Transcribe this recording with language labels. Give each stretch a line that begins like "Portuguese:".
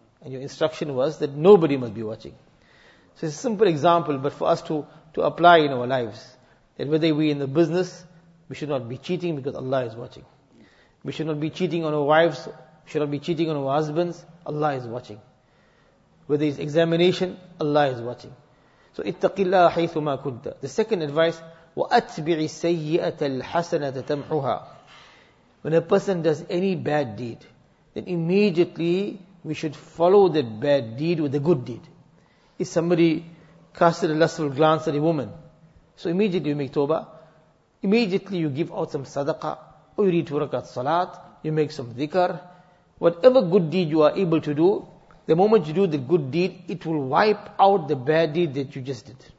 English: And your instruction was that nobody must be watching. So it's a simple example, but for us to apply in our lives. That whether we in the business, we should not be cheating because Allah is watching. We should not be cheating on our wives, we should not be cheating on our husbands, Allah is watching. Whether it's examination, Allah is watching.
Arabic: So, اتَّقِ اللَّهَ حَيْثُمَا كُنْتَ.
English: The second advice,
Arabic: وَأَتْبِعِ السَّيِّئَةَ الْحَسَنَةَ تَمْحُهَا.
English: When a person does any bad deed, then immediately, we should follow that bad deed with a good deed. If somebody casted a lustful glance at a woman, so immediately you make tawbah, immediately you give out some sadaqah, or you read two rakat salat, you make some dhikr, whatever good deed you are able to do, the moment you do the good deed, it will wipe out the bad deed that you just did.